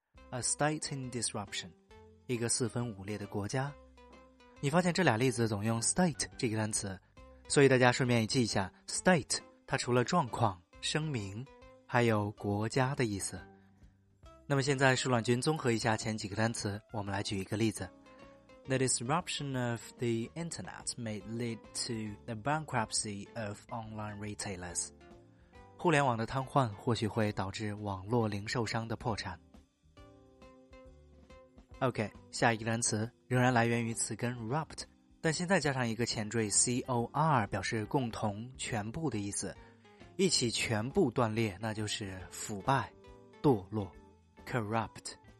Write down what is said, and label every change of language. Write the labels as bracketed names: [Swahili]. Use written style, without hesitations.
[English] A state in disruption， [Chinese] 一个四分五裂的国家。你发现这俩例子总用 state 这个单词，所以大家顺便也记一下 state， 它除了状况、声明，还有国家的意思。那么现在舒朗君综合一下前几个单词，我们来举一个例子。 [English] The disruption of the internet may lead to the bankruptcy of online retailers. [Chinese] 互联网的瘫痪或许会导致网络零售商的破产。 OK, 下一个单词仍然来源于词根 rupt, 但现在加上一个前缀 cor, 表示共同、全部的意思。一起全部断裂，那就是腐败、堕落 ,corrupt。